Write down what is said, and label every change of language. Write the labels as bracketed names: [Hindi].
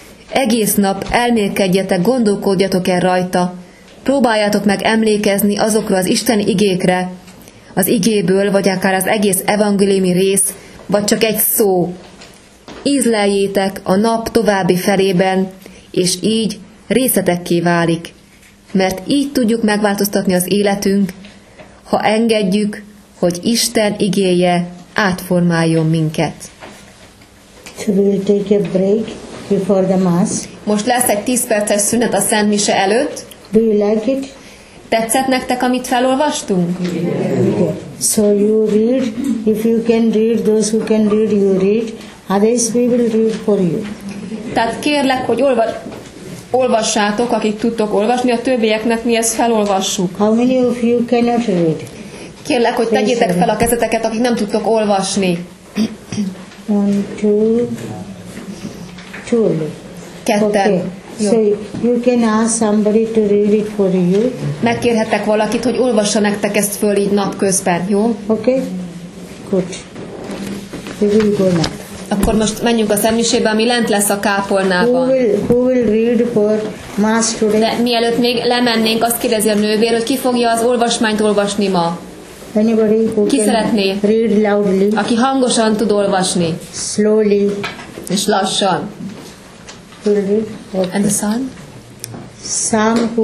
[Hungarian] Egész nap elmélkedjetek, gondolkodjatok el rajta, próbáljátok meg emlékezni azokra az Isten igékre, az igéből, vagy akár az egész evangéliumi rész, vagy csak egy szó. Ízleljétek a nap további felében, és így részetekké válik. Mert így tudjuk megváltoztatni az életünk, ha engedjük, hogy Isten igéje átformáljon minket. [English] So we'll take a break before the mass. [Hungarian] Most lesz egy 10 perces szünet a Szent Mise előtt. [English] Do you like it? [Hungarian] Tetszett nektek, amit felolvastunk? [English] Okay. So you read, if you can read, those who can read, you read. Others we will read for you. [Hungarian] Tehát kérlek, hogy olvassátok, akik tudtok olvasni, a többieknek mi ezt felolvassuk. [English] How many of you cannot read? [Hungarian] Kérlek, hogy tegyétek fel a kezeteket, akik nem tudtok olvasni. [English] One, two, two. [Hungarian] Ketten. [English] Okay. So you can ask somebody to read it for you. [Hungarian] Megkérhetek valakit, hogy olvassa nektek ezt föl így napközben, jó? [English] Okay. Good. We will go now. [Hungarian] Akkor most menjünk a szentmisébe, ami lent lesz a kápolnában. [English] Who will read for mass today? [Hungarian] De mielőtt még lemennénk, azt kérdezi a nővér, hogy ki fogja az olvasmányt olvasni ma? [English] Anybody who [Hungarian] ki szeretné? [English] Read loudly. [Hungarian] Aki hangosan tud olvasni. [English] Slowly. [Hungarian] És lassan. [English] Okay. And the son? Some who...